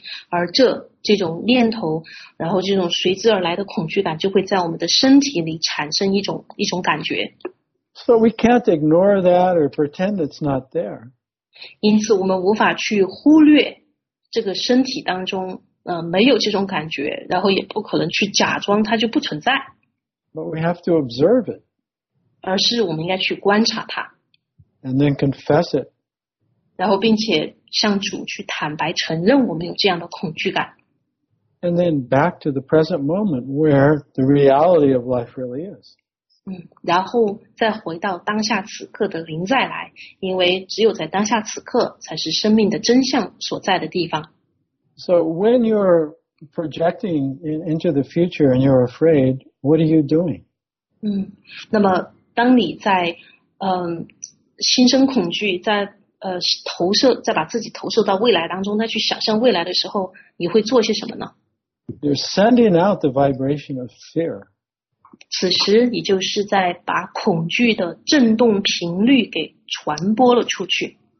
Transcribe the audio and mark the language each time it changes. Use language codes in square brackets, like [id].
[zh] 而这种念头，然后这种随之而来的恐惧感就会在我们的身体里产生一种感觉。 [en] So we can't ignore that or pretend it's not there. [zh] 因此我们无法去忽略这个身体当中没有这种感觉，然后也不可能去假装它就不存在。 [en] But we have to observe it. [zh] 而是我们应该去观察它。 [en] And then confess it [zh] 然后并且向主去坦白承认我们有这样的恐惧感。 [en] And then back to the present moment where the reality of life really is. [zh] 然后再回到当下此刻的临在来，因为只有在当下此刻才是生命的真相所在的地方。 [en] So when you're projecting into the future and you're afraid, what are you doing? [zh] 那么当你在心生恐惧，在投射，再把自己投射到未来当中，再去想象未来的时候，你会做些什么呢？ [en] You're sending out the vibration of fear. [zh] 此时你就是在把恐惧的振动频率给传播了出去。